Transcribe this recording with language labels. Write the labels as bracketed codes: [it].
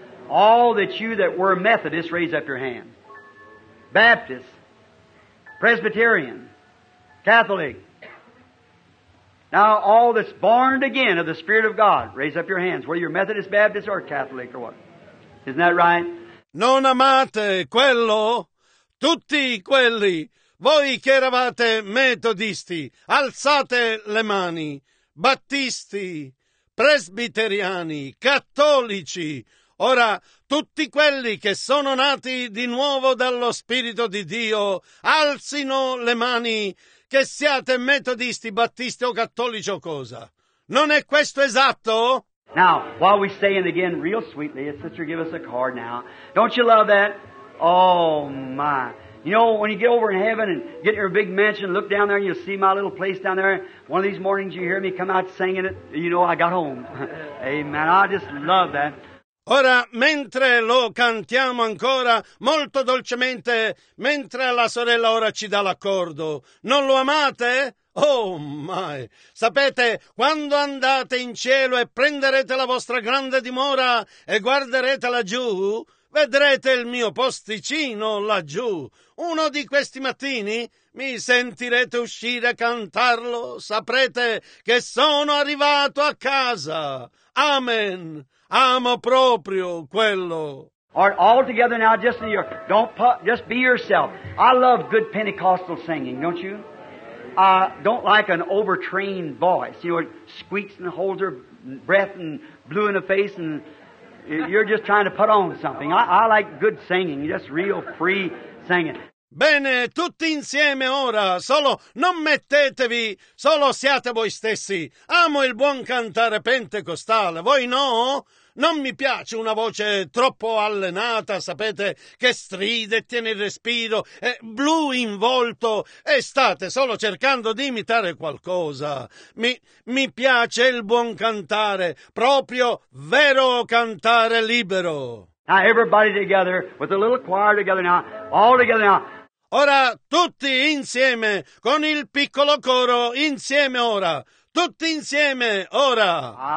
[en] All that you that were Methodist, raise up your hand. Baptist, Presbyterian, Catholic. Now all that's born again of the Spirit of God, raise up your hands. Whether you're Methodist, Baptist, or Catholic, or what? Isn't that right? [it] Non amate quello, tutti quelli, voi che eravate metodisti, alzate le mani, battisti, presbiteriani, cattolici, ora, tutti quelli che sono nati di nuovo dallo Spirito di Dio, alzino le mani, che siate metodisti, battisti o cattolici o cosa. Non è questo esatto? [en] Now, while we say it again real sweetly, sister, give us a card now. Don't you love that? Oh, my. You know, when you get over in heaven and get in your big mansion, look down there and you'll see my little place down there. One of these mornings you hear me come out singing it, you know I got home. Amen. I just love that. [it] Ora, mentre lo cantiamo ancora, molto dolcemente, mentre la sorella ora ci dà l'accordo, non lo amate? Oh, mai! Sapete, quando andate in cielo e prenderete la vostra grande dimora e guarderete laggiù, vedrete il mio posticino laggiù. Uno di questi mattini mi sentirete uscire a cantarlo, saprete che sono arrivato a casa. Amen! Amo proprio quello. [en] All right, all together now, just in your, don't put, just be yourself. I love good Pentecostal singing, don't you? I don't like an overtrained voice. You know, it squeaks and holds her breath and blue in the face, and you're just trying to put on something. I like good singing, just real free singing. [it] Bene, tutti insieme ora, solo non mettetevi, solo siate voi stessi. Amo il buon cantare pentecostale, voi no? Non mi piace una voce troppo allenata, sapete, che stride, tiene il respiro, è blu in volto e state solo cercando di imitare qualcosa. Mi piace il buon cantare, proprio vero cantare libero. [en] Now everybody together, with a little choir together now, all together now. [it] Ora tutti insieme, con il piccolo coro, insieme ora, tutti insieme, ora.